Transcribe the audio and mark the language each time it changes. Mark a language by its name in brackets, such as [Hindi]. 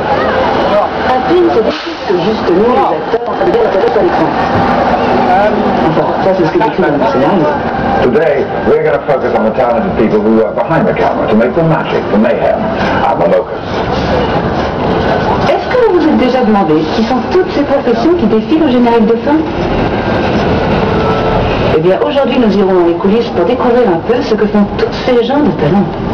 [French] Un film se discute juste nous, les acteurs, avec la tablette à l'écran. Enfin, ça c'est ce que j'écris dans le scénario. [English] Today, we're going to focus on the talented people who work behind the camera to make the magic, the mayhem, and the locus. [French] Est-ce que vous vous êtes déjà demandé qui sont toutes ces professions qui défilent au générique de fin? Eh bien, aujourd'hui, nous irons dans les coulisses pour découvrir un peu ce que font tous ces gens de talent.